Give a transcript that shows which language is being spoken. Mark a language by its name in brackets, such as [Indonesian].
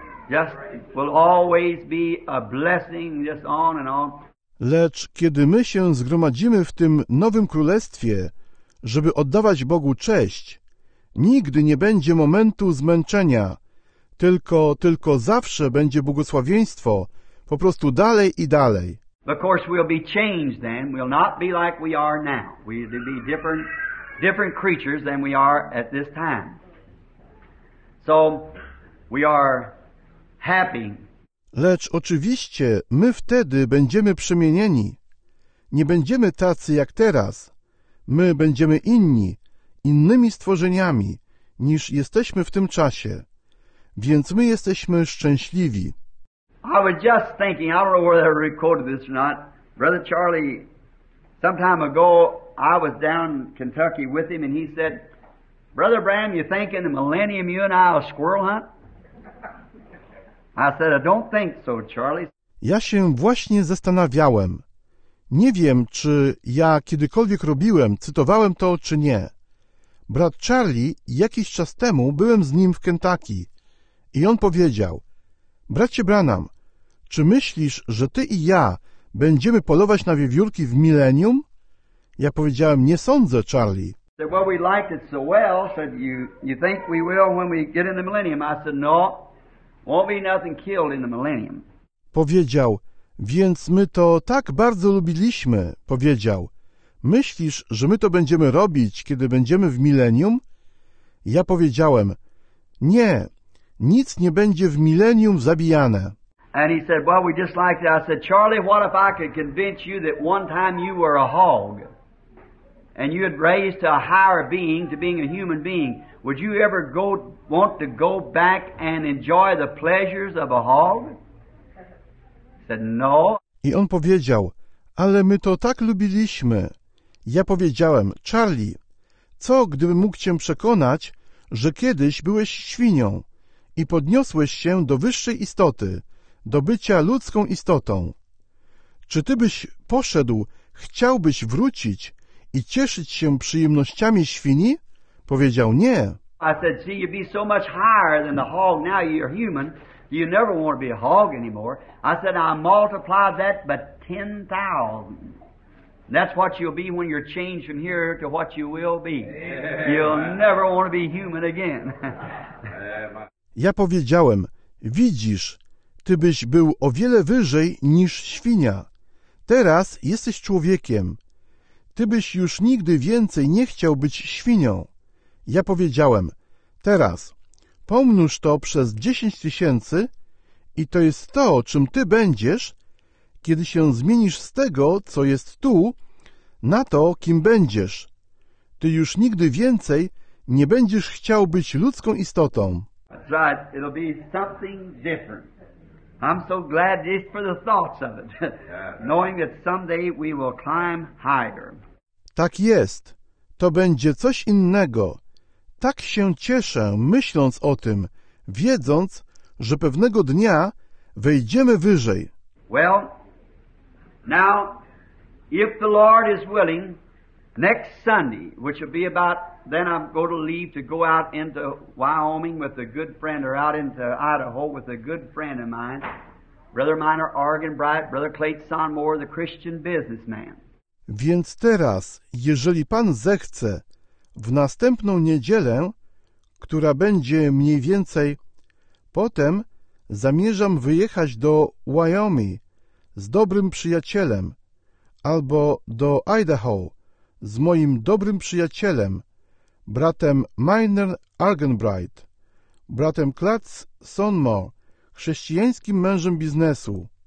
[English] Just will always be a blessing, just on and on. [Polish] Lecz kiedy my się zgromadzimy w tym nowym królestwie, żeby oddawać Bogu cześć, nigdy nie będzie momentu zmęczenia, tylko zawsze będzie błogosławieństwo, po prostu dalej i dalej. [English] Of course we'll be changed then, we'll not be like we are now. We'll be different creatures than we are at this time. So we are happy. [Polish] Lecz oczywiście my wtedy będziemy przemienieni. Nie będziemy tacy jak teraz. My będziemy inni, innymi stworzeniami, niż jesteśmy w tym czasie. Więc my jesteśmy szczęśliwi. [English] I was just thinking, I don't know whether I recorded this or not, Brother Charlie, some time ago I was down in Kentucky with him and he said, Brother Bram, you think in the millennium you and I will squirrel hunt? I said, I don't think so, Charlie. [Polish] Ja się właśnie zastanawiałem. Nie wiem, czy ja kiedykolwiek robiłem, cytowałem to, czy nie. Brat Charlie, jakiś czas temu byłem z nim w Kentucky. I on powiedział, bracie Branham, czy myślisz, że ty i ja będziemy polować na wiewiórki w milenium? Ja powiedziałem, nie sądzę, Charlie. [English] Said, well, we liked it so well, said, you think we will when we get in the millennium? I said, no. Won't be nothing killed in the millennium. [Polish] Powiedział, więc my to tak bardzo lubiliśmy, powiedział. Myślisz, że my to będziemy robić, kiedy będziemy w milenium? Ja powiedziałem, nie, nic nie będzie w milenium zabijane. [English] And he said, well, we just liked it. I said, Charlie, what if I could convince you that one time you were a hog and you had raised to a higher being, to being a human being? Would you ever want to go back and enjoy the pleasures of a hog? Said no. [Polish] I on powiedział, ale my to tak lubiliśmy. Ja powiedziałem, Charlie, co gdybym mógł cię przekonać, że kiedyś byłeś świnią i podniosłeś się do wyższej istoty, do bycia ludzką istotą? Czy ty byś poszedł, chciałbyś wrócić i cieszyć się przyjemnościami świni? Powiedział nie. [English] I said, see, you'd be so much higher than the hog now, you're human. You never want to be a hog anymore. I said, I multiply that by 10,000. That's what you'll be when you're changed from here to what you will be. Yeah. You'll never want to be human again. [Polish] Ja powiedziałem, widzisz, ty byś był o wiele wyżej niż świnia. Teraz jesteś człowiekiem. Ty byś już nigdy więcej nie chciał być świnią. Ja powiedziałem, teraz pomnóż to przez 10,000 i to jest to, czym ty będziesz, kiedy się zmienisz z tego, co jest tu, na to, kim będziesz. Ty już nigdy więcej nie będziesz chciał być ludzką istotą. [English] That's right. It'll be something different. I'm so glad just for the thoughts of it. Knowing that someday we will climb higher. [Polish] Tak jest. To będzie coś innego. Tak się cieszę, myśląc o tym, wiedząc, że pewnego dnia wejdziemy wyżej. [English] Well, now, if the Lord is willing, next Sunday, which will be about, then I'm going to leave to go out into Wyoming with a good friend, or out into Idaho with a good friend of mine, Brother Minor Argan Bright, Brother Clay Sonmore, the Christian businessman. [Polish] Więc teraz, jeżeli Pan zechce, w następną niedzielę, która będzie mniej więcej, potem zamierzam wyjechać do Wyoming z dobrym przyjacielem, albo do Idaho z moim dobrym przyjacielem, bratem Minor Argenbright, bratem Clats Sonmore, chrześcijańskim mężem biznesu.